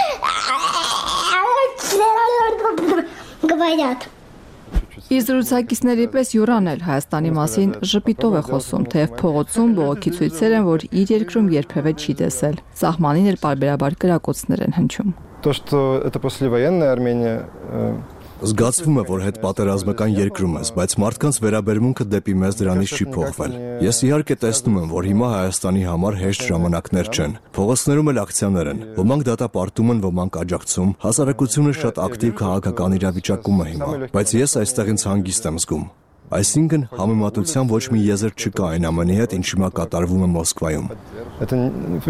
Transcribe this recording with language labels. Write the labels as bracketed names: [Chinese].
[Armenian] հարցերից։ Իր զրուցակիցների պես Յուրան էլ Հայաստանի մասին ժպիտով է խոսում, թեև փողոցում բողոքի ցույցեր են, որ իր երկրում երբևէ չի տեսել։ Սահմանին էլ պարբերաբար կրակոցներ են հնչում։ [Russian] То что это послевоенная Армения, [Armenian] Զգացվում է, որ հետ պատերազմական երկրում ես, բայց մարդկանց վերաբերմունքը դեպի մեզ դրանից չի փոխվել։ Ես իհարկե տեսնում եմ, որ հիմա Հայաստանի համար հեշտ ժամանակներ չեն։ Փողոցներում էլ ակցիաներ են, ոմանք դատապարտում են, ոմանք աջակցում, հասարակությունը շատ ակտիվ քաղաքական իրավիճակում է հիմա, բայց ես այստեղ ինձ հանգիստ եմ զգում։ Այսինքն, համեմատության ոչ մի եզր չկա այն ամենի հետ, ինչ հիմա կատարվում է Մոսկվայում։